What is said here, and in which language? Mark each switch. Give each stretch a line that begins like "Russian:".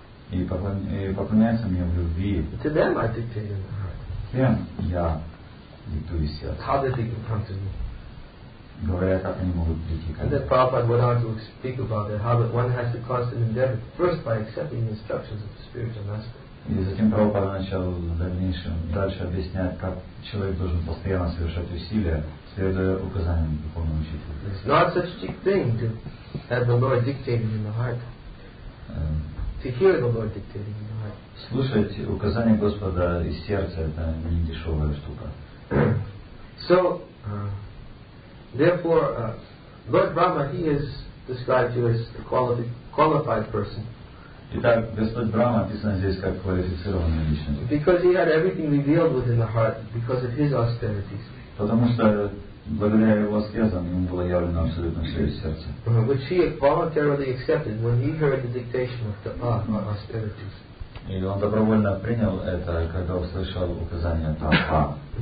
Russian: И поклоняются мне в любви.
English: To them I dictate in the heart.
Russian: Тем я.
English: How did they come to me?
Russian: Говоря, как они могут прийти.
English: And then Prabhupada went on to speak about that, how that one has to constantly endeavor first by accepting the instructions of the spiritual master.
Russian: И затем Прабхупада начал в дальнейшем дальше объяснять, как человек должен постоянно совершать усилия, следуя указаниям духовного учителя.
English: It's not such a cheap thing to have the Lord dictating in the heart. To hear the Lord dictating in the heart.
Russian: Слушать указания Господа из сердца — это не дешевая штука.
English: So, therefore, Lord Brahma, he is described here as a qualified person.
Russian: Итак, Господь Брахма описан здесь как квалифицированная личность.
English: Because he had everything revealed within the heart because of his austerities.
Russian: Потому что благодаря его аскезам ему было явлено абсолютно все из сердца.
English: Which he voluntarily accepted when he heard the dictation of the austerities.
Russian: И он добровольно принял это, когда услышал указание Тапа.